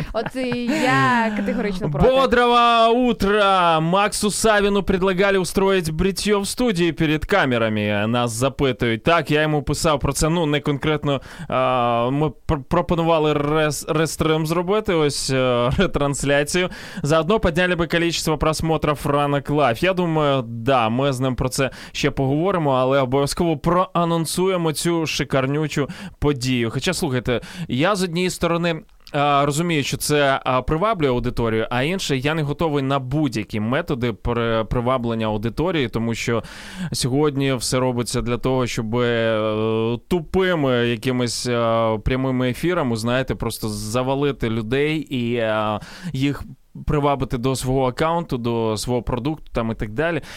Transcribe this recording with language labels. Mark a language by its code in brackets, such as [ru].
[uk] От я категорично проти. [ru] Бодрого утра! Максу Савіну предлагали устроить бритьё в студії перед камерами. [uk] Нас запитують. Так, я йому писав про це, ну, не конкретно. Ми пропонували рестрим зробити, ось, ретрансляцію. [ru] Заодно подняли би количество просмотров Ранок Лайф. [uk] Я думаю, да, ми з ним про це ще поговоримо, але обов'язково проанонсуємо цю шикарнючу подію. Хоча, слухайте, я з однієї сторони розумію, що це приваблює аудиторію, а інше, я не готовий на будь-які методи приваблення аудиторії, тому що сьогодні все робиться для того, щоб тупими якимись прямими ефірами, знаєте, просто завалити людей і їх привабити до свого аккаунту, до свого продукту там і так далі.